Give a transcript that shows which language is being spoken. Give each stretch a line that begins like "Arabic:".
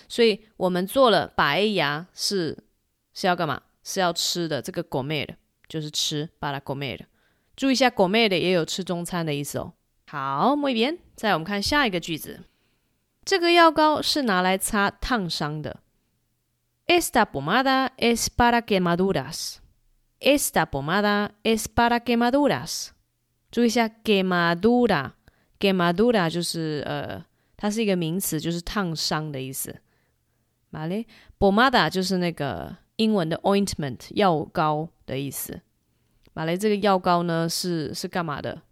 Chinese: 所以我们做了 Paella 是要干嘛，是要吃的，这个 comer 就是吃。
Spanish: Para comer，
Chinese: 注意一下 comer 也有吃中餐的意思哦。好，
Spanish: muy bien，
Chinese: 再来我们看下一个句子，这个药膏是拿来擦烫伤的。
Spanish: Esta pomada es para quemaduras. Esta pomada es para quemaduras.
Chinese: 注意一下 quemadura， quemadura 就是它是一个名词，就是烫伤的意思。
Spanish: Vale？
Chinese: Pomada 就是那个英文的 ointment， 药膏的意思。
Spanish: Vale？
Chinese: 这个药膏呢是干嘛的？